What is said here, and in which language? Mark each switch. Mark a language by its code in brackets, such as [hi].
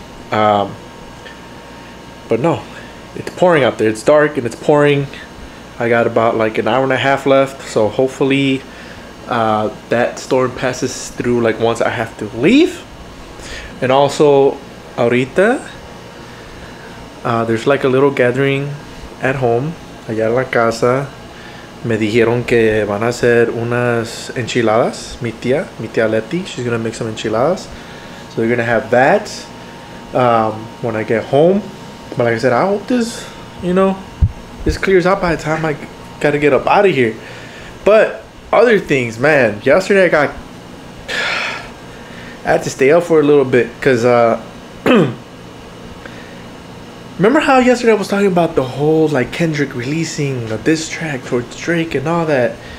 [en] But no, it's pouring out there. It's dark and it's pouring. I got about like an hour and a half left. So hopefully that storm passes through like once I have to leave. And also ahorita, there's like a little gathering at home. [es] Allá en la casa, me dijeron que van a hacer unas enchiladas. Mi tía Leti, [en] she's gonna make some enchiladas. So they're gonna have that when I get home. But like I said, I hope this, you know, this clears out by the time I gotta get up out of here. But other things, man, yesterday I had to stay up for a little bit because remember how yesterday I was talking about the whole like Kendrick releasing a diss track towards Drake and all that?